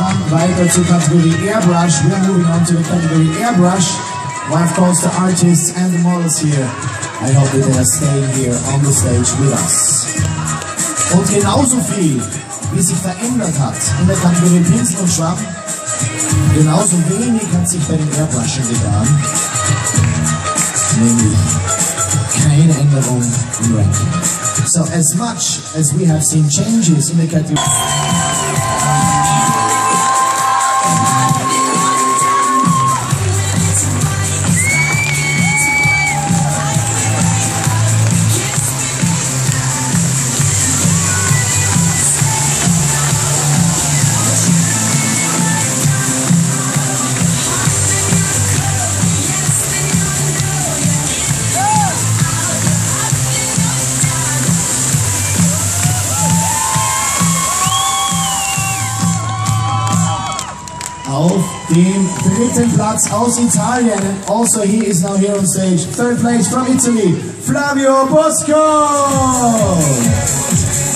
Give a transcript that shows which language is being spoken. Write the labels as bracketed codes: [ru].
[de] Weiter zur Kategorie Airbrush. [en] We are moving on to the category Airbrush. Of course, the artists and the models here. I hope that they are staying here on the stage with us. [de] Und genauso viel, wie sich verändert hat in der Kategorie Pinsel und Schwamm, genauso wenig hat sich bei den Airbrushen getan. Nämlich keine Änderung im Ranking. [en] So, as much as we have seen changes in the category. [de] Den dritten Platz aus Italien. [en] And also he is now here on stage. Third place from Italy, Flavio Bosco.